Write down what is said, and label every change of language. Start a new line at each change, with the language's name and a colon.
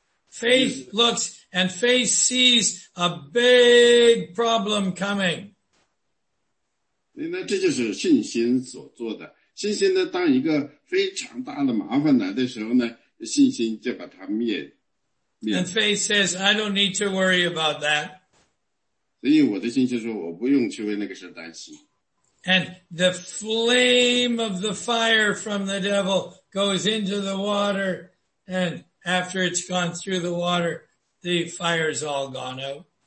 English: Faith looks and faith sees a big problem coming.
Chinese: 那这就是信心所做的。信心呢,当一个非常大的麻烦来的时候呢,信心就把它灭。
English: And faith says, I don't need to worry about that.
Chinese: 所以我的信心说,我不用去为那个事担心。
English: And the flame of the fire from the devil goes into the water, and after it's gone through the water, the fire's all gone out.